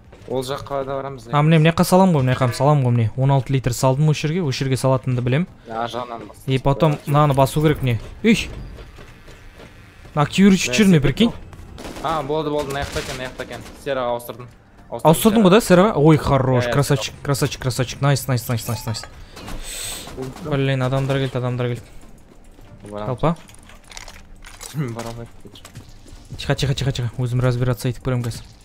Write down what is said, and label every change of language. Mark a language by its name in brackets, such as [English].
[Kazakh] Ол жаққа да барамыз. А, міне мына жаққа саламын ғой, мына жаққа саламын ғой, міне 16 литр салдым осы жерге, осы жерге салатынымды білемін. А жағынан басты. [Russian] И потом [Kazakh] мынаны басу керек міне. Үй! Мына кюрич үшірме, [Russian] прикинь. [Kazakh] А, болды болды, мына жақта екен, мына жақта екен. Сераға ауыстырдым. Ауыстырдың ғой да, сераға? [Russian] Ой, хорош, красавчик, красавчик, красавчик. [English] Найс, найс, найс, найс, найс. [Russian] Блин, [Kazakh] адамдар келді, адамдар келді. Алпа. [Russian] Тихо, тихо, тихо, тихо. [Kazakh] Өзім [Russian] разбираться [Kazakh] етіп көрем қазір.